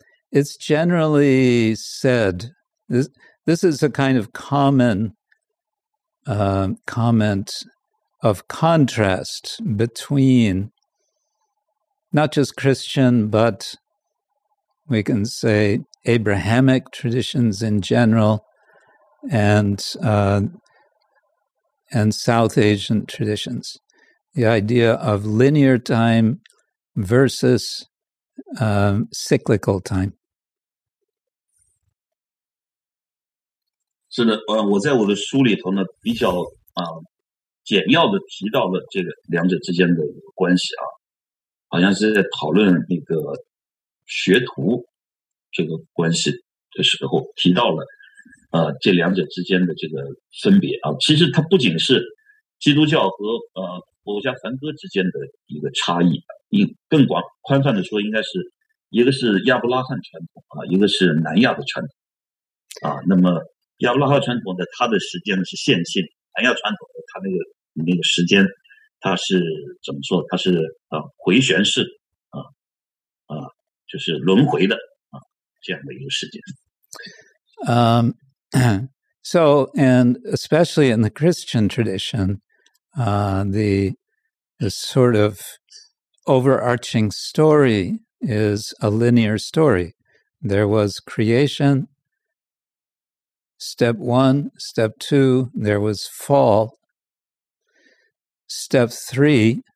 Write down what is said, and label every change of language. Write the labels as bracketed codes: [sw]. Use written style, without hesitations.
[en] It's generally said, this is a kind of common comment of contrast between not just Christian, but we can say Abrahamic traditions in general, and South Asian traditions. The idea of linear time versus cyclical time. [zh] 是的，我在我的书里头呢，比较简要的提到了这个两者之间的关系啊，好像是在讨论那个学徒这个关系的时候提到了。这两者之间的这个分别啊，其实它不仅是基督教和佛家梵歌之间的一个差异，更广宽泛的说，应该是一个是亚伯拉罕传统啊，一个是南亚的传统啊。那么亚伯拉罕传统的它的时间是线性，南亚传统的它那个时间它是怎么说？它是回旋式就是轮回的这样的一个时间。 [en] So, and especially in the Christian tradition, the sort of overarching story is a linear story. There was creation, step one, step two, there was fall, step three,